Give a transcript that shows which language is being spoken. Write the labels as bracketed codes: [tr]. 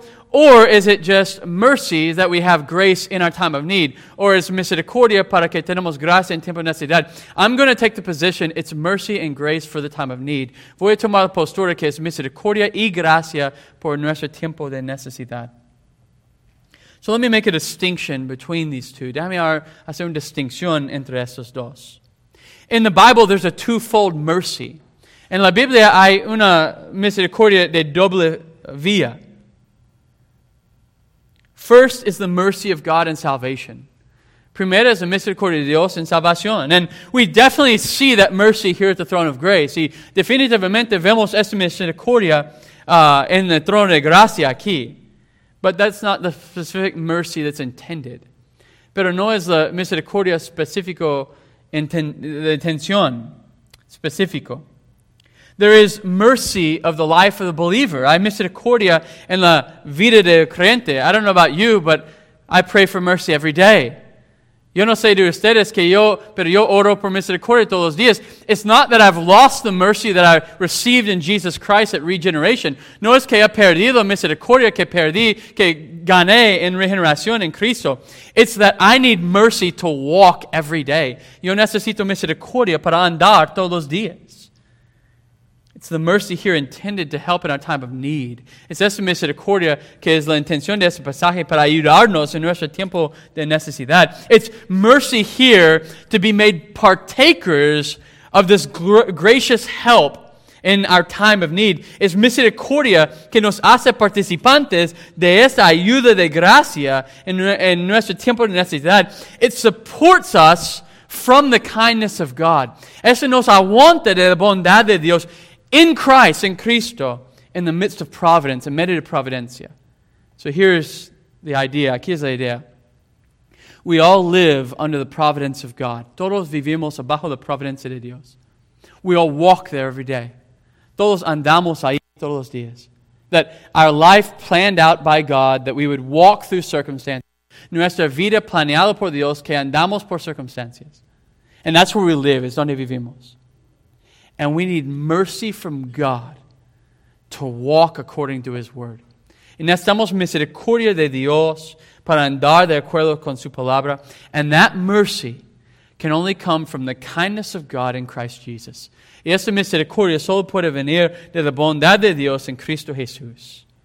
[en] Or is it just mercy that we have grace in our time of need? Or is [es] misericordia para que tenemos gracia en tiempo de necesidad? [en] I'm going to take the position it's mercy and grace for the time of need. [es] Voy a tomar la postura que es misericordia y gracia por nuestro tiempo de necesidad. [en] So let me make a distinction between these two. [es] Déjame hacer una distinción entre estos dos. [en] In the Bible, there's a twofold mercy. [es] En la Biblia hay una misericordia de doble vía. [en] First is the mercy of God in salvation. [es] Primera es la misericordia de Dios en salvación. [en] And we definitely see that mercy here at the throne of grace. [es] Y definitivamente vemos esta misericordia en el trono de gracia aquí. [en] But that's not the specific mercy that's intended. [es] Pero no es la misericordia específico, la intención específico. [en] there is mercy of the life of the believer. [es] I misericordia en la vida de creyente. [en] I don't know about you, but I pray for mercy every day. [es] Yo no sé de ustedes que yo, pero yo oro por misericordia todos los días. [en] It's not that I've lost the mercy that I received in Jesus Christ at regeneration. [es] No es que he perdido misericordia que perdí, que gané en regeneración en Cristo. [en] It's that I need mercy to walk every day. [es] Yo necesito misericordia para andar todos los días. [en] It's the mercy here intended to help in our time of need. [es] Es esa misericordia que es la intención de ese pasaje para ayudarnos en nuestro tiempo de necesidad. [en] It's mercy here to be made partakers of this gracious help in our time of need. [es] Es misericordia que nos hace participantes de esa ayuda de gracia en nuestro tiempo de necesidad. [en] It supports us from the kindness of God. [es] Eso nos aguanta de la bondad de Dios. [en] In Christ, in Cristo, in the midst of providence, [es] in medio de providencia. [en] So here's the idea. [es] Aquí es la idea. [en] We all live under the providence of God. [es] Todos vivimos bajo la providencia de Dios. [en] We all walk there every day. [es] Todos andamos ahí todos los días. [en] That our life planned out by God, that we would walk through circumstances. [es] Nuestra vida planeada por Dios, que andamos por circunstancias. [en] And that's where we live, [es] es donde vivimos. [en] And we need mercy from God to walk according to His Word. [es] Y necesitamos misericordia de Dios para andar de acuerdo con su palabra. [en] And that mercy can only come from the kindness of God in Christ Jesus. [es] Y esa misericordia solo puede venir de la bondad de Dios en Cristo Jesús.